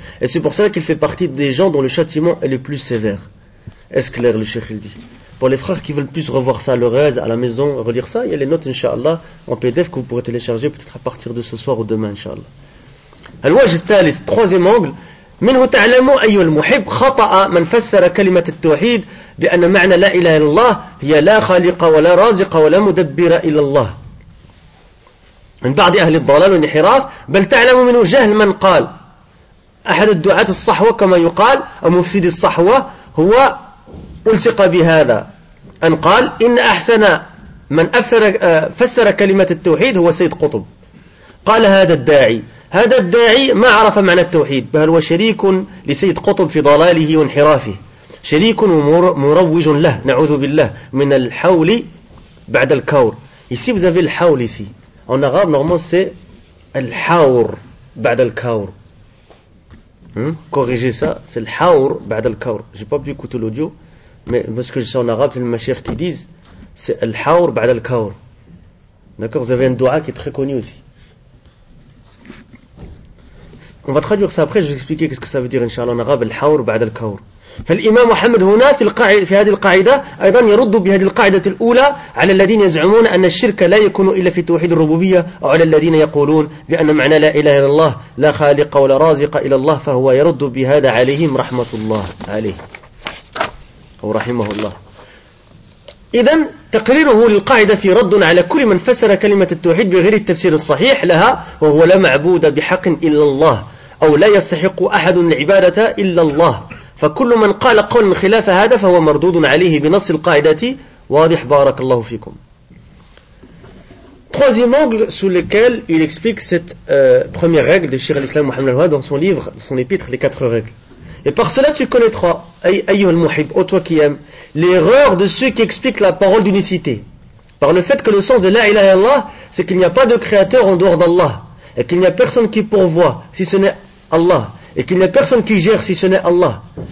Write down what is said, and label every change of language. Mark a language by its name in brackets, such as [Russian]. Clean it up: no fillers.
[French] Et c'est pour cela qu'il fait partie des gens dont le châtiment est le plus sévère. Est-ce clair, le cheikh il dit? Pour les frères qui veulent plus revoir ça, le rez à la maison, relire ça, il y a les notes, inshallah, en PDF que vous pourrez télécharger peut-être à partir de ce soir ou demain, inshallah. [Arabic] Al-Wajh Thalith, [French] troisième angle, [Arabic] منه تعلم أي المحب خطأ من فسر كلمة التوحيد بأن معنى لا إله إلا الله هي لا خالق ولا رازق ولا مدبر إلا الله من بعض أهل الضلال والانحراف، بل تعلم منه جهل من قال أحد الدعاة الصحوة كما يقال أو مفسد الصحوة هو ألصق بهذا أن قال إن أحسن من فسر كلمة التوحيد هو سيد قطب. قال هذا الداعي، هذا الداعي ما عرف معنى التوحيد، بل هو شريك لسيد قطب في ضلاله وانحرافه، شريك ومروج له نعوذ بالله من الحول بعد الكور. يسيب زفي الحول يسي [French] on a grave normalement c'est الحور بعد الكور. Corriger ça, c'est [Arabic] الحور بعد الكور. [French] J'ai pas pu écouter l'audio, mais parce que je sais en arabe, les mashaykh qui disent c'est الحور بعد الكور. D'accord, vous avez un dua qui est très connu aussi. On va traduire ça après, je vais vous expliquer qu'est-ce que ça veut dire inchallah en arabe [Arabic] الحور بعد الكور. فالإمام محمد هنا في هذه القاعدة أيضا يرد بهذه القاعدة الأولى على الذين يزعمون أن الشرك لا يكون إلا في توحيد الربوبية، أو على الذين يقولون بأن معنى لا إله إلا الله لا خالق ولا رازق إلا الله، فهو يرد بهذا عليهم رحمة الله عليه أو رحمه الله. إذن تقريره للقاعدة في رد على كل من فسر كلمة التوحيد بغير التفسير الصحيح لها، وهو لا معبود بحق إلا الله، أو لا يستحق أحد العبادة إلا الله، فكل من قال قول خلاف هذا فهو مردود عليه بنص القاعدة. واضح بارك الله فيكم. [French] Troisième angle sous lequel il explique cette première règle de Cheikh al-Islam Mohamed al-Wahhab dans son livre, son épître, les quatre règles. Et par cela tu connaîtras, [Arabic] ayyuhal muhib, [French] ô toi qui aimes, l'erreur de ceux qui expliquent la parole d'unicité par le fait que le sens de [Arabic] la ilaha illallah [French] c'est qu'il n'y a pas de créateur en dehors d'Allah, et qu'il n'y a personne qui pourvoit si ce n'est Allah, et qu'il n'y a personne qui gère si ce n'est Allah.